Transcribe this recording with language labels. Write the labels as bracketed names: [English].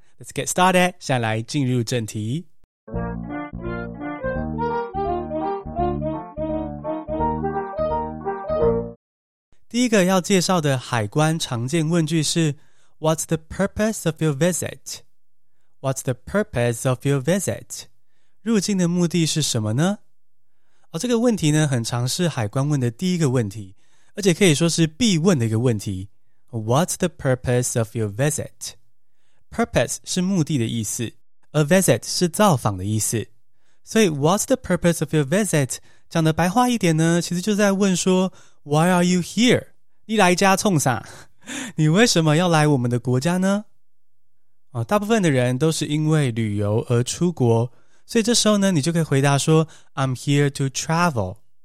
[English] Let's get started， [Chinese] 下来进入正题。第一个要介绍的海关常见问句是 [English] What's the purpose of your visit? What's the purpose of your visit? [Chinese] 入境的目的是什么呢？这个问题呢，很常是海关问的第一个问题，而且可以说是必问的一个问题。 [English] What's the purpose of your visit? [Chinese] Purpose 是目的的意思， A visit 是造访的意思。所以 [English] What's the purpose of your visit? [Chinese] 讲的白话一点呢，其实就在问说 [English] Why are you here? [Chinese] 你来家冲啥？你为什么要来我们的国家呢？大部分的人都是因为旅游而出国，所以这时候呢，你就可以回答说 [English] I'm here to travel.